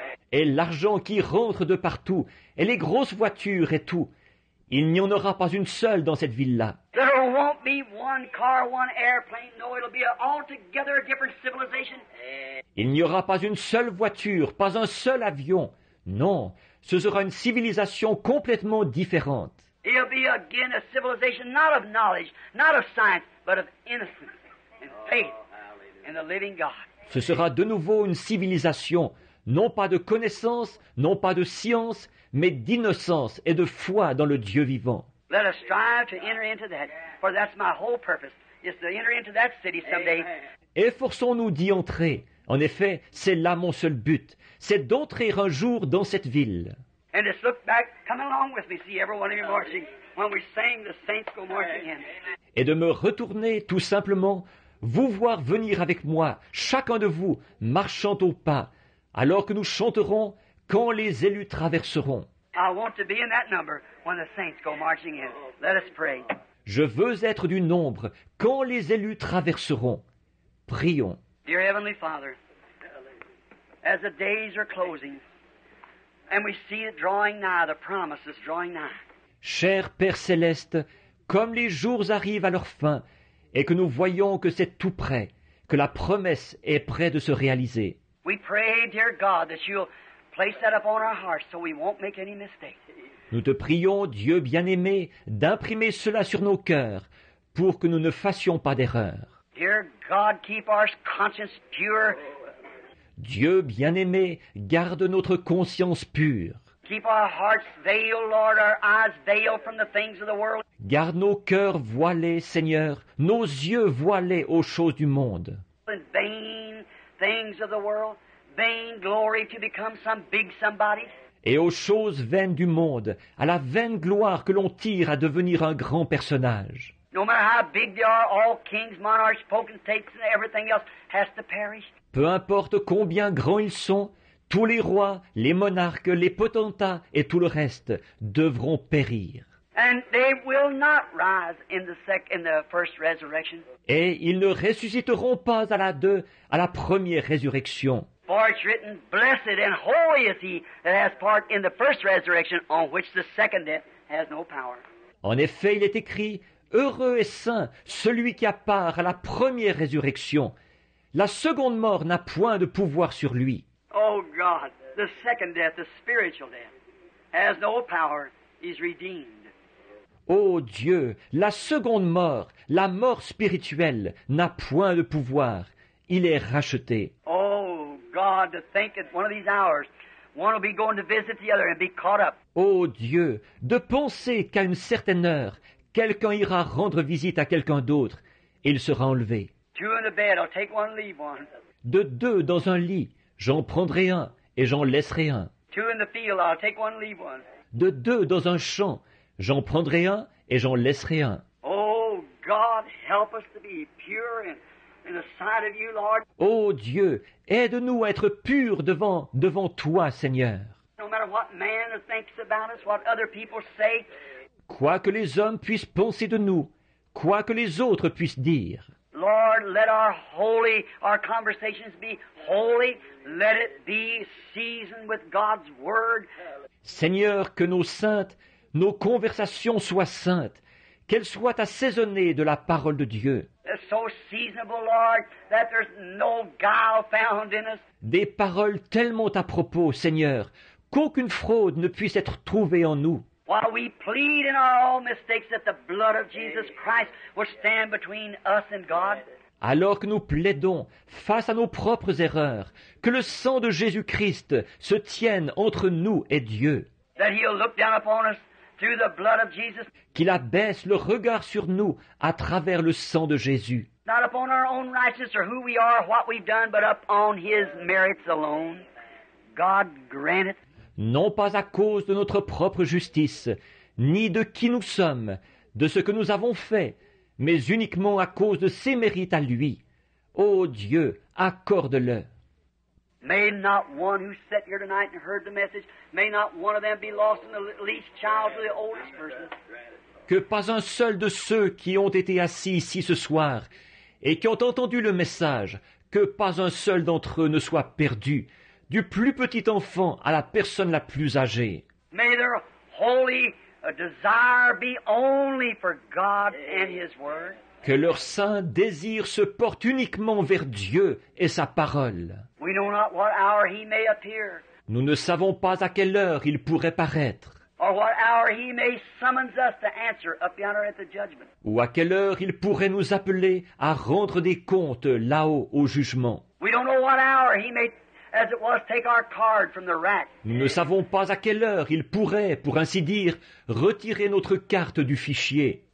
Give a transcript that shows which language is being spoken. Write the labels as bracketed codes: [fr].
[fr] Et l'argent qui rentre de partout et les grosses voitures et tout. Il n'y en aura pas une seule dans cette ville-là. [en] There won't be one car, one airplane. No, it'll be altogether a different civilization. [fr] Il n'y aura pas une seule voiture, pas un seul avion. Non, ce sera une civilisation complètement différente. [en] It'll be again a civilization not of knowledge, not of science, but of innocence and faith in the living God. [fr] Ce sera de nouveau une civilisation, non pas de connaissance, non pas de science, mais d'innocence et de foi dans le Dieu vivant. [en] Let us strive to enter into that, for that's my whole purpose, is to enter into that city someday. [fr] Efforçons-nous d'y entrer. En effet, c'est là mon seul but, c'est d'entrer un jour dans cette ville. [en] And just look back, come along with me, see every one of you marching, when we sing the saints go marching in. [fr] Et de me retourner tout simplement, vous voir venir avec moi, chacun de vous, marchant au pas, alors que nous chanterons « Quand les élus traverseront ». [en] I want to be in that number when the saints go marching in. Let us pray. [fr] Je veux être du nombre quand les élus traverseront. Prions. [en] Dear Heavenly Father, as the days are closing, and we see it drawing nigh, the promise is drawing nigh. [fr] Cher Père Céleste, comme les jours arrivent à leur fin, et que nous voyons que c'est tout près, que la promesse est près de se réaliser. [en] We pray, dear God, that you'll place that upon our hearts so we won't make any mistake. [fr] Nous te prions, Dieu bien-aimé, d'imprimer cela sur nos cœurs pour que nous ne fassions pas d'erreur. [en] Dear God, keep our conscience pure. [fr] Dieu bien-aimé, garde notre conscience pure. [en] Keep our hearts veiled, Lord, our eyes veiled from the things of the world. [fr] Garde nos cœurs voilés, Seigneur, nos yeux voilés aux choses du monde. [en] Vain things of the world, vain glory to become some big somebody. [fr] Et aux choses vaines du monde, à la vaine gloire que l'on tire à devenir un grand personnage. [en] No matter how big they are, all kings, monarchs, potentates, and everything else has to perish. [fr] Peu importe combien grands ils sont, tous les rois, les monarques, les potentats et tout le reste devront périr. [en] And they will not rise in the first resurrection. [fr] Et ils ne ressusciteront pas à la première résurrection. [en] For it's written, blessed and holy is he that has part in the first resurrection, on which the second death has no power. [fr] En effet, il est écrit, heureux et saint celui qui a part à la première résurrection. La seconde mort n'a point de pouvoir sur lui. [en] Oh God, the second death, the spiritual death, has no power, is redeemed. [fr] Oh Dieu, la seconde mort, la mort spirituelle, n'a point de pouvoir, il est racheté. [en] Oh God, to think that one of these hours, one will be going to visit the other and be caught up. [fr] Oh Dieu, de penser qu'à une certaine heure, quelqu'un ira rendre visite à quelqu'un d'autre, et il sera enlevé. [en] Two in the bed, I'll take one, leave one. [fr] De deux dans un lit, j'en prendrai un et j'en laisserai un. [en] Two in the field, I'll take one, leave one. [fr] De deux dans un champ, j'en prendrai un et j'en laisserai un. [en] Oh God, help us to be pure in the sight of you, Lord. [fr] Oh Dieu, aide-nous à être purs devant toi, Seigneur. [en] No matter what man thinks about us, what other people say. [fr] Quoi que les hommes puissent penser de nous, quoi que les autres puissent dire. [en] Lord, let our conversations be holy. Let it be seasoned with God's word. [fr] Seigneur, que nos conversations soient saintes, qu'elles soient assaisonnées de la parole de Dieu. [en] They're so seasonable, Lord, that there's no guile found in us. [fr] Des paroles tellement à propos, Seigneur, qu'aucune fraude ne puisse être trouvée en nous. [en] While we plead in our own mistakes that the blood of Jesus Christ will stand between us and God. [fr] Alors que nous plaidons face à nos propres erreurs, que le sang de Jésus-Christ se tienne entre nous et Dieu. [en] That he'll look down upon us through the blood of Jesus. [fr] Qu'il abaisse le regard sur nous à travers le sang de Jésus. [en] Not upon our own righteousness or who we are or what we've done, but upon his merits alone. God grant it. [fr] Non pas à cause de notre propre justice, ni de qui nous sommes, de ce que nous avons fait, mais uniquement à cause de ses mérites à lui. Ô Dieu, accorde-le. [en] May not one who sat here tonight and heard the message, may not one of them be lost in the least child or the oldest person. [fr] Que pas un seul de ceux qui ont été assis ici ce soir et qui ont entendu le message, que pas un seul d'entre eux ne soit perdu. Du plus petit enfant à la personne la plus âgée. [en] May their holy desire be only for God and His Word. [fr] Que leur saint désir se porte uniquement vers Dieu et sa parole. [en] We know not what hour he may appear. [fr] Nous ne savons pas à quelle heure il pourrait paraître. [en] Or what hour he may summons us to answer up yonder at the judgment. [fr] Ou à quelle heure il pourrait nous appeler à rendre des comptes là-haut au jugement. [en] We don't know what hour he may as it was, take our card from the rack. [fr] Nous ne savons pas à quelle heure il pourrait, pour ainsi dire, retirer notre carte du fichier.